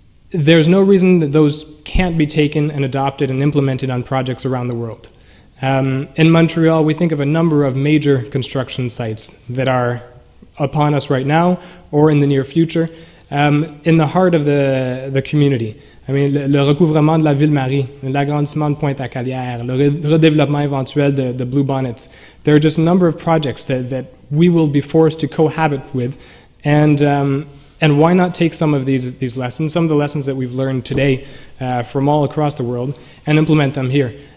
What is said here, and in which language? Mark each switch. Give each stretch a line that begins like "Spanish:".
English: There's no reason that those can't be taken and adopted and implemented on projects around the world. In Montreal, we think of a number of major construction sites that are upon us right now or in the near future, in the heart of the community. I mean,
French: le recouvrement de la Ville Marie, l'agrandissement de Pointe-à-Calière, le redéveloppement éventuel de Blue Bonnets.
English: There are just a number of projects that we will be forced to cohabit with, and why not take some of these lessons, some of the lessons that we've learned today from all across the world, and implement them here?